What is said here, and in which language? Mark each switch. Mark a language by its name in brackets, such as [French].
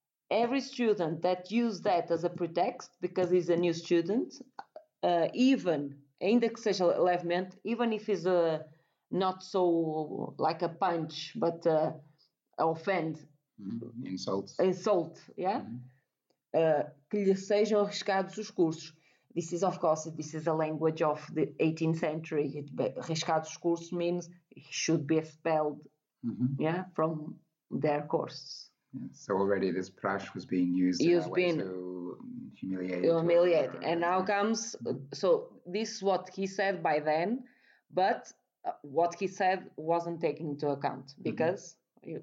[English] Every student that used that as a pretext, because he's a new student, even, [Portuguese] ainda que seja levemente, [English] even if he's not so like a punch, but offend. Insults. Insult, yeah? Mm-hmm. [Portuguese] Que lhe sejam arriscados os cursos. [English] This is, of course, this is a language of the 18th century. [Portuguese] Arriscados os cursos [English] means he should be expelled, mm-hmm. yeah, from their course. Yeah, so already this praxe was being used as a way to humiliate. Humiliate. And now comes, so this is what he said by then, but what he said wasn't taken into account because, mm-hmm.